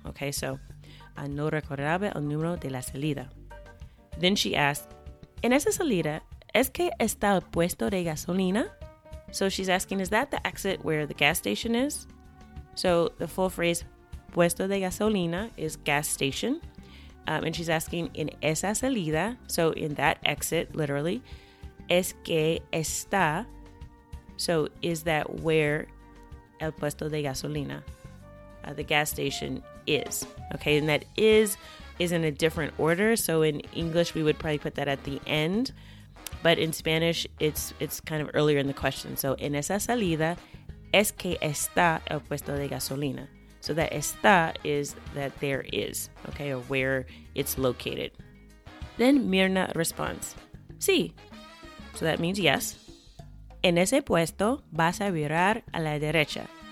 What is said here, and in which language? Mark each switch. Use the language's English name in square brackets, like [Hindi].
[Spanish] Okay, so no recordaba el número de la salida. [English] Then she asked, [Spanish] en esa salida, ¿es que está el puesto de gasolina? [English] So she's asking, is that the exit where the gas station is? So the full phrase, puesto de gasolina, is gas station. And she's asking, en esa salida, so in that exit, literally, ¿es que está? So is that where el puesto de gasolina, the gas station is. Okay, and that is in a different order. So in English, we would probably put that at the end. But in Spanish, it's kind of earlier in the question. [Spanish] So en esa salida, es que está el puesto de gasolina. [English] So that está is that there is, okay, or where it's located. Then Mirna responds, sí. So that means yes. [Spanish] En ese puesto vas a virar a la derecha.